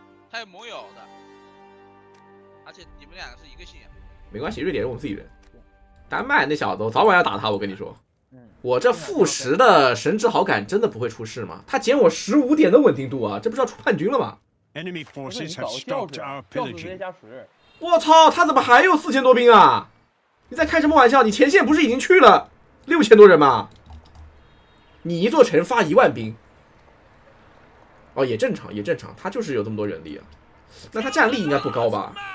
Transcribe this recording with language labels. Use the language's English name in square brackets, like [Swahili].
[Chinese] 他有盟友的，而且你们两个是一个信仰。没关系，瑞典是我们自己人。丹麦那小子，我早晚要打他。我跟你说，我这10的神职好感真的不会出事吗？他减我15点的稳定度啊，这不是要出叛军了吗？ [English] Enemy forces have stopped our pillaging. [Chinese] 我操，他怎么还有4000多兵啊？你在开什么玩笑？你前线不是已经去了6000多人吗？你一座城发10000兵？哦，也正常，也正常，他就是有这么多人力啊。那他战力应该不高吧？